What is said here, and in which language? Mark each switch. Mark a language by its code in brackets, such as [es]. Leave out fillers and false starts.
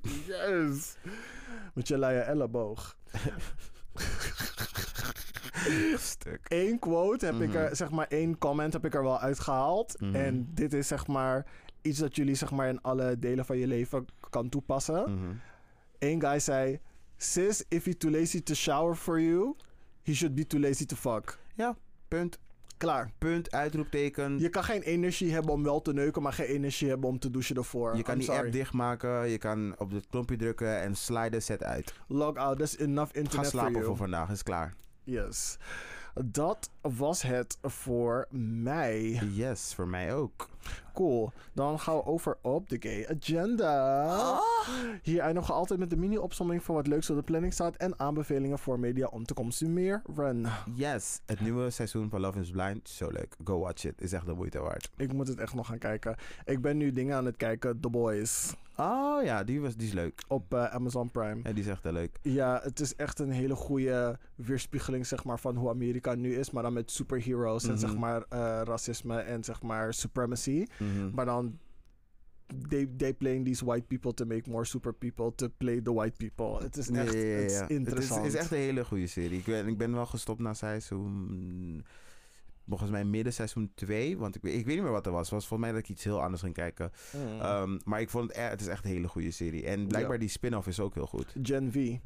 [nl] Yes. Met je luie elleboog. Stuk. Eén quote heb ik er, zeg maar, één comment heb ik er wel uitgehaald. Mm-hmm. En dit is, zeg maar, iets dat jullie, zeg maar, in alle delen van je leven kan toepassen. Mm-hmm. Eén guy zei, [en] sis, if he's too lazy to shower for you, he should be too lazy to fuck. [nl] Ja, punt. Klaar. Punt, uitroepteken. Je kan geen energie hebben om wel te neuken, maar geen energie hebben om te douchen ervoor. Je kan [en] I'm [nl] die [en] sorry. [nl] App dichtmaken, je kan op het knopje drukken en sliden, zet uit. [en] Log out, that's enough internet for you. [nl] Ga slapen voor vandaag, is klaar. Yes. Dat was het voor mij. Yes, voor mij ook. Cool. Dan gaan we over op de gay agenda. Oh. Hier eindigen we altijd met de mini-opsomming van wat leuks op de planning staat en aanbevelingen voor media om te consumeren. Yes, het nieuwe seizoen van Love is Blind. Zo leuk. [en] Go watch it. [nl] Is echt de moeite waard. Ik moet het echt nog gaan kijken. Ik ben nu dingen aan het kijken. [en] The Boys. [nl] Oh ja, die is leuk. Op Amazon Prime. Ja, die is echt heel leuk. Ja, het is echt een hele goede weerspiegeling, zeg maar, van hoe Amerika nu is. Maar dan met superheroes en zeg maar racisme en zeg maar supremacy. Mm-hmm. [en] Maar dan they playing these white people to make more super people to play the white people. [nl] Het is echt interessant. Het is echt een hele goede serie. Ik ben wel gestopt na seizoen... Volgens mij midden seizoen 2. Want ik weet niet meer wat er was. Het was volgens mij dat ik iets heel anders ging kijken. Mm. Maar ik vond het is echt een hele goede serie. En blijkbaar die spin-off is ook heel goed. Gen V.